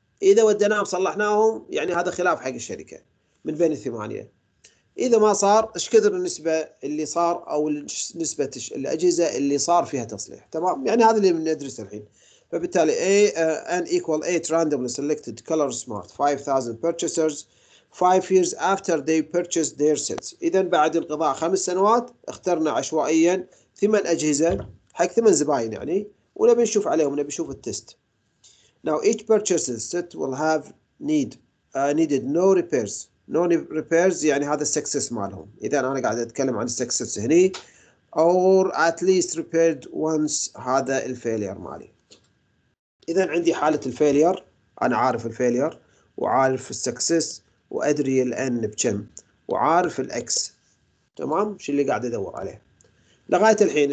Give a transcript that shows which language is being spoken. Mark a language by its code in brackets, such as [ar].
[ar] إذا وديناهم صلحناهم يعني هذا خلاف حق الشركة من بين الثمانية. إذا ما صار إيش كثر النسبة اللي صار أو نسبة الأجهزة اللي صار فيها تصليح، تمام؟ يعني هذا اللي ندرس الحين. [en] فبالتالي A N equal 8 randomly selected color smart 5000 purchasers 5 years after they purchased their sets. [ar] إذن بعد انقضاء 5 سنوات اخترنا عشوائيا 8 أجهزة حق 8 زباين يعني، ونبي نشوف عليهم، نبي نشوف التست. [en] Now each purchases set will have needed no repairs. No repairs [ar] يعني هذا success مالهم. إذن أنا قاعد أتكلم عن success هني، [en] or at least repaired once، [ar] هذا الفيلير مالي. إذن عندي حالة الفيلير، أنا عارف الفيلير وعارف السكسس وأدري الان بكم وعارف الاكس، تمام، شو اللي قاعد ادور عليه لغاية الحين.